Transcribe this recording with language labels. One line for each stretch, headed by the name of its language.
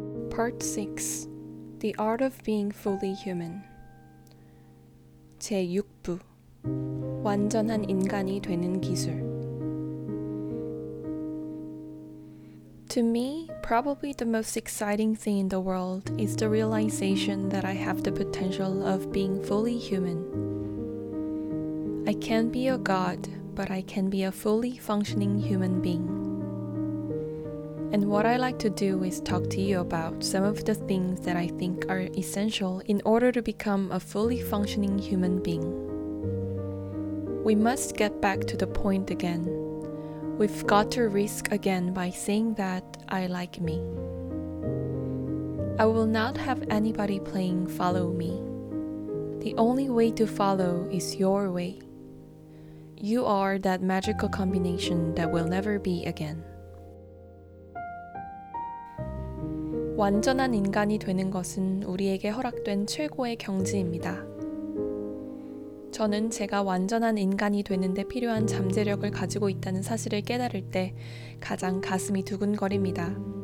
English: 파트 6. The Art of Being Fully Human
Korean: 제6부 완전한 인간이 되는 기술
English: To me, probably the most exciting thing in the world is the realization that I have the potential of being fully human. I can't be a god, but I can be a fully functioning human being. And what I like to do is talk to you about some of the things that I think are essential in order to become a fully functioning human being. We must get back to the point again. We've got to risk again by saying that I like me. I will not have anybody playing follow me. The only way to follow is your way. You are that magical combination that will never be again.
Korean: 완전한 인간이 되는 것은 우리에게 허락된 최고의 경지입니다. 저는 제가 완전한 인간이 되는데 필요한 잠재력을 가지고 있다는 사실을 깨달을 때 가장 가슴이 두근거립니다.